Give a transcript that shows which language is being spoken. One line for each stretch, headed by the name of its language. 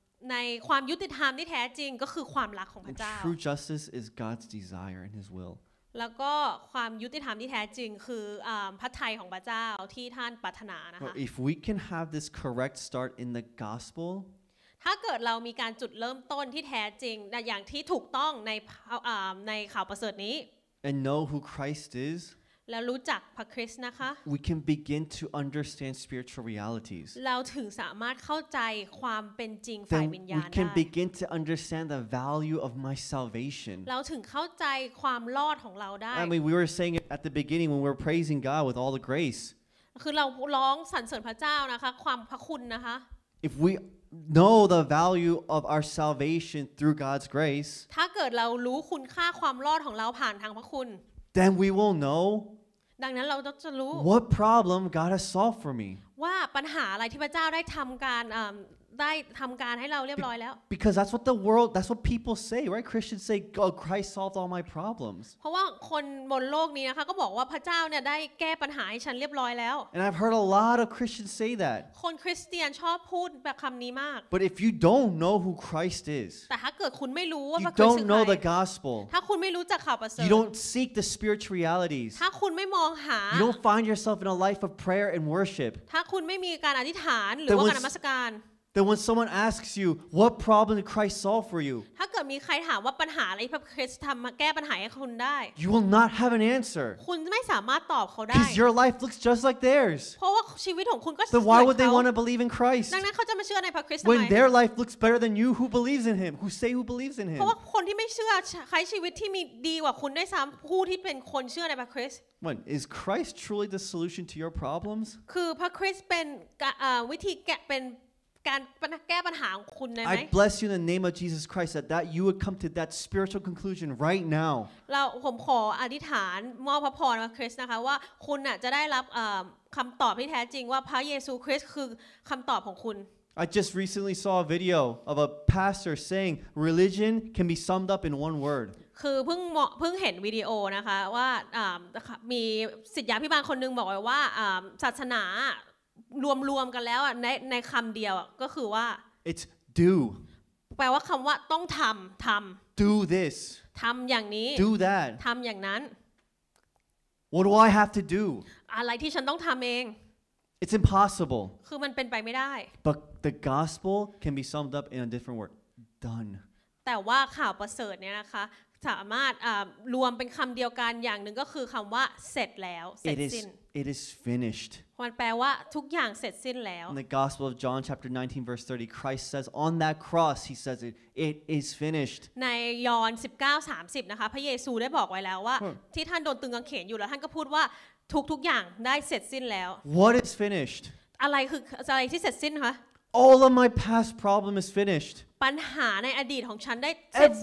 Thai: ในความยุติธรรมที่แท้จริงก็คือความรักของพระเจ้า
English: And true justice is God's desire and his will
Thai: แล้วก็ความยุติธรรมที่แท้จริงคือพระทัยของพระเจ้าที่ท่านปรารถนานะคะ
English: If we can have this correct start in the gospel
Thai: ถ้าเกิดเรามีการจุดเริ่มต้นที่แท้จริงอย่างที่ถูกต้องในข่าวประเสริฐนี้
English: And know who Christ is
Thai: แล้วรู้จักพระคริสต์นะคะ
English: We can begin to understand spiritual realities
Thai: เราถึงสามารถเข้าใจความเป็นจริงฝ่ายวิญญาณได้
English: We can begin to understand the value of my salvation
Thai: เราถึงเข้าใจความรอดของเราได้
English: I mean we were saying it at the beginning when we were praising God with all the grace
Thai: คือเราร้องสรรเสริญพระเจ้านะคะความพระคุณนะคะ
English: If we know the value of our salvation through God's grace
Thai: ถ้าเกิดเรารู้คุณค่าความรอดของเราผ่านทางพระคุณ
English: Then we will know.
Thai: ดังนั้นเราจะรู้
English: What problem God has solved for me?
Thai: ว่าปัญหาอะไรที่พระเจ้าได้ทำการได้ทำการให้เราเรียบร้อยแล้ว
English: Because that's what the world, that's what people say, right? Christians say, "Oh, Christ solved all my problems."
Thai: เพราะว่าคนบนโลกนี้นะคะก็บอกว่าพระเจ้าเนี่ยได้แก้ปัญหาให้ฉันเรียบร้อยแล้ว
English: And I've heard a lot of Christians say that.
Thai: คนคริสเตียนชอบพูดแบบคำนี้มาก
English: But if you don't know who Christ is,
Thai: แต่ถ้าเกิดคุณไม่รู้ว่าพระคริสต์
English: You don't know the gospel.
Thai: ถ้าคุณไม่รู้จักข่าวประเสริฐ
English: You don't seek the spiritual realities.
Thai: ถ้าคุณไม่มองหา
English: You don't find yourself in a life of prayer and worship.
Thai: ถ้าคุณไม่มีการอธิษฐานหรือว่าการนมัสการ
English: Then when someone asks you, what problem did Christ solve for you?
Thai: ถ้าเกิดมีใครถามว่าปัญหาอะไรพระคริสต์ทำมาแก้ปัญหาให้คุณได้
English: You will not have an answer.
Thai: คุณไม่สามารถตอบเขาได้
English: Because your life looks just like theirs.
Thai: เพราะว่าชีวิตของคุณก็เหมือนเ
English: ขา Then why would they want to believe in Christ?
Thai: ดังนั้นเขาจะมาเชื่อในพระคริสต์ทำไม
English: When their life looks better than you who believes in him, who say who believes in him.
Thai: เพราะว่าคนที่ไม่เชื่อใครชีวิตที่มีดีกว่าคุณได้ซ้ำผู้ที่เป็นคนเชื่อในพระคริสต์
English: When is Christ truly the solution to your problems?
Thai: คือพระคริสต์เป็นวิธีแก้เป็นการแก้ปัญหาของคุณได้มั้ย
English: I bless you in the name of Jesus Christ that you would come to that spiritual conclusion right now.
Thai: เราผมขออธิษฐานมอบพระพรมาคริสนะคะว่าคุณน่ะจะได้รับคำตอบที่แท้จริงว่าพระเยซูคริสต์คือคำตอบของคุณ
English: I just recently saw a video of a pastor saying religion can be summed up in one word.
Thai: คือเพิ่งเห็นวิดีโอนะคะว่ามีศิษยาภิบาลคนนึงบอกว่าศาสนารวมๆกันแล้วอ่ะในคำเดียวก็คือว่า
English: it's do
Thai: แปลว่าคำว่าต้องทำ
English: do this
Thai: ทำอย่างนี้
English: do that
Thai: ทำอย่างนั้น
English: what do I have to do
Thai: อะไรที่ฉันต้องทำเอง
English: it's impossible
Thai: คือมันเป็นไปไม่ได้
English: but the gospel can be summed up in a different word done
Thai: แต่ว่าข่าวประเสริฐเนี่ยนะคะสามารถรวมเป็นคำเดียวกันอย่างนึงก็คือคำว่าเสร็จแล้วเสร็จสิ้น
English: it is finished
Thai: มันแปลว่าทุกอย่างเสร็จสิ้นแล้ว
English: In the Gospel of John chapter 19 verse 30 Christ says on that cross he says it is finished
Thai: ในยอห์น 19:30 นะคะพระเยซูได้บอกไว้แล้วว่าที่ท่านโดนตึงกางเขนอยู่แล้วท่านก็พูดว่าทุกอย่างได้เสร็จสิ้นแล้ว
English: What is finished
Thai: อะไรคืออะไรที่เสร็จสิ้นคะ
English: All of my past problem is finished
Thai: ปัญหาในอดีตของฉันได้เสร็จส